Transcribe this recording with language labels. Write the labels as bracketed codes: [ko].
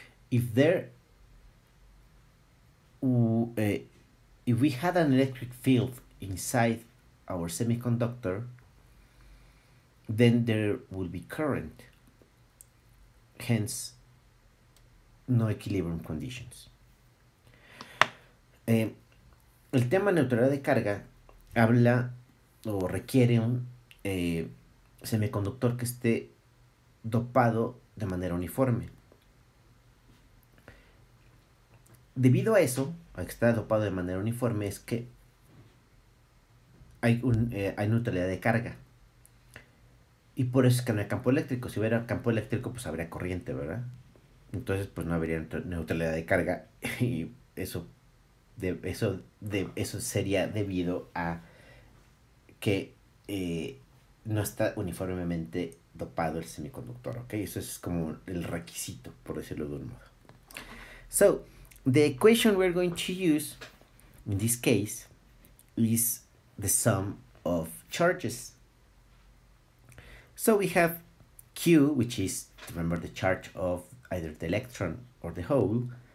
[en] If we had an electric field inside our semiconductor, then there will be current, hence no equilibrium conditions. [es] El tema neutralidad de carga habla o requiere un semiconductor que esté dopado de manera uniforme. Debido a eso, a que está dopado de manera uniforme, es que hay neutralidad de carga. Y por eso es que no hay campo eléctrico. Si hubiera campo eléctrico, pues habría corriente, ¿verdad? Entonces, pues no habría neutralidad de carga. Y eso sería debido a que no está uniformemente dopado el semiconductor, ¿ok? Eso es como el requisito, por decirlo de un modo. [en] The equation we're going to use in this case is the sum of charges. So we have Q, which is, remember, the charge of either the electron or the hole.